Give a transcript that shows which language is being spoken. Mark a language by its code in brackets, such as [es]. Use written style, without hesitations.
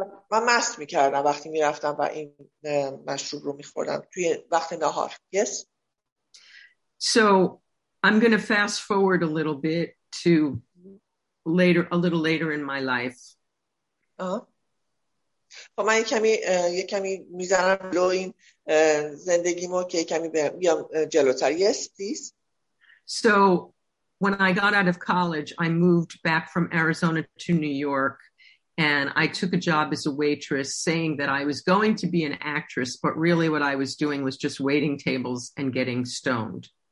[fa] من مست می‌کردم وقتی می‌رفتم و این مشروب رو می‌خوردم توی وقت نهار. [en] Yes. So I'm going to fast forward a little bit to later a little later in my life. [fa] خب من یک کمی می‌ذارم لو این زندگیمو که کمی بیام جلوتر. [en] Yes, please. So when I got out of college, I moved back from Arizona to New York. And I took a job as a waitress saying that I was going to be an actress, but really what I was doing was just waiting tables and getting stoned.